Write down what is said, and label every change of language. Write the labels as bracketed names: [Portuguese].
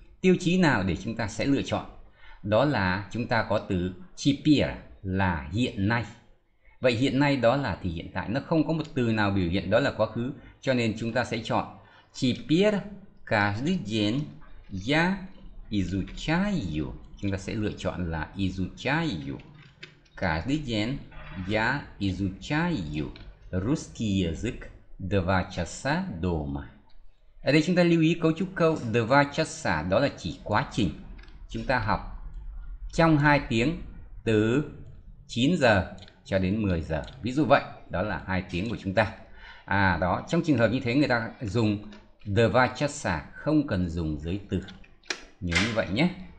[Vietnamese] Tiêu chí nào để chúng ta sẽ lựa chọn? Đó là chúng ta có từ chipir là hiện nay. Vậy hiện nay đó là thì hiện tại, nó không có một từ nào biểu hiện đó là quá khứ, cho nên chúng ta sẽ chọn chipir [Russian] каждый день я изучаю. [Vietnamese] Chúng ta sẽ lựa chọn là изучаю. [Russian] Каждый день я изучаю русский язык два часа дома. [Vietnamese] Ở đây chúng ta lưu ý cấu trúc câu [Russian] два часа, [Vietnamese] đó là chỉ quá trình. Chúng ta học trong 2 tiếng từ 9 giờ cho đến 10 giờ. Ví dụ vậy, đó là 2 tiếng của chúng ta. Trong trường hợp như thế người ta dùng [Russian] два часа, [Vietnamese] không cần dùng giới từ. Nhớ như vậy nhé.